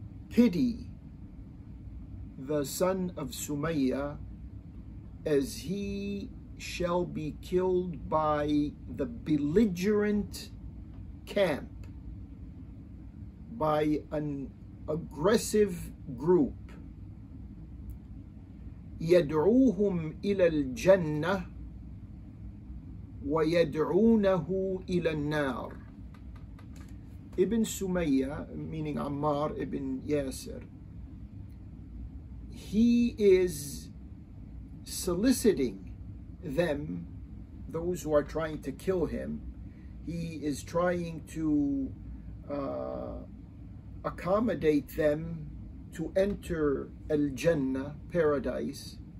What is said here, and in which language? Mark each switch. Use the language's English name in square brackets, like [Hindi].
[English] Pity the son of Sumayya, as he shall be killed by the belligerent camp, by an aggressive group. [Arabic] يدعوهم إلى الجنة ويدعونه إلى النار. [English] Ibn Sumayya, meaning Ammar ibn Yasir, he is soliciting them, those who are trying to kill him. He is trying to accommodate them to enter al-Jannah, paradise.